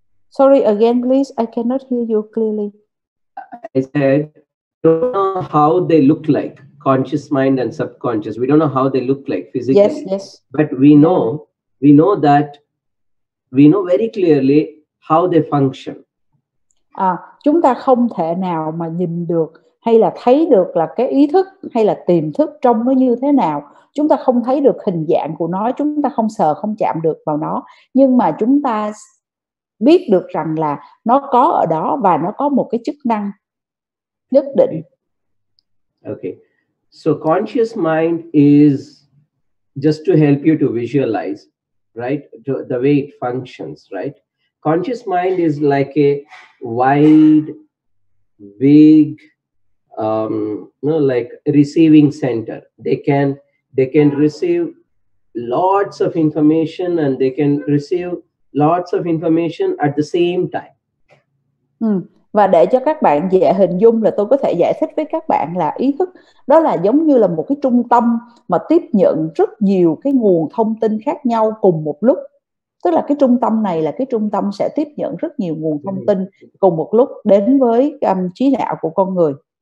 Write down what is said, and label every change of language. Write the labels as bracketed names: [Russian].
[English] Sorry again, please. I cannot hear you clearly. I said, we don't know how they look like, conscious mind and subconscious. We don't know how they look like physically. Yes, yes. But we know very clearly how they function. [Vietnamese] À, chúng ta không thể nào mà nhìn được hay là thấy được là cái ý thức hay là tiềm thức trong nó như thế nào. Chúng ta không thấy được hình dạng của nó, chúng ta không sờ, không chạm được vào nó. Nhưng mà chúng ta biết được rằng là nó có ở đó và nó có một cái chức năng nhất định. [English] Okay. So conscious mind is just to help you to visualize, right? The way it functions, right? Conscious mind is like a wide, big, like receiving center. They can receive lots of information, and they can receive lots of information at the same time. [Vietnamese] Và để cho các bạn dễ hình dung là tôi có thể giải thích với các bạn là ý thức đó là giống như là một cái trung tâm mà tiếp nhận rất nhiều cái nguồn thông tin khác nhau cùng một lúc. Tức là cái trung tâm này là cái trung tâm sẽ tiếp nhận rất nhiều nguồn thông tin cùng một lúc đến với trí não của con người.